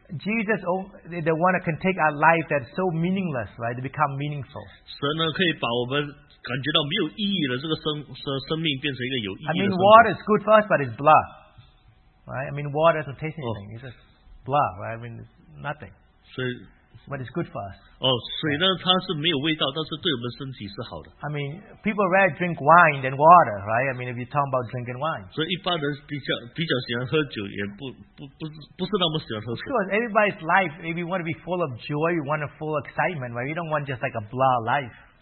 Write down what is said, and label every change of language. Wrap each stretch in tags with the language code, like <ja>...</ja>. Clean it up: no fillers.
<en>Jesus, the one that can take our life that's so meaningless, right, to become meaningful.</en> <zh>神呢可以把我们感觉到没有意义的这个生命变成一个有意义的。</zh> <en>I mean, water is good for us, but it's blood. Right? I mean, water doesn't taste anything. It's just blood, right? I mean, it's nothing. So, but it's good for us.</en> <zh>Oh, 水呢, 它是没有味道，但是对我们身体是好的。</zh> <en>I mean, people rather drink wine than water, right? I mean, if you're talking about drinking wine.</en> <zh>所以一般人比较喜欢喝酒，也不是那么喜欢喝水。</zh> <en>Because everybody's life, if you want to be full of joy, you want a full excitement, right? You don't want just like a blah life.</en>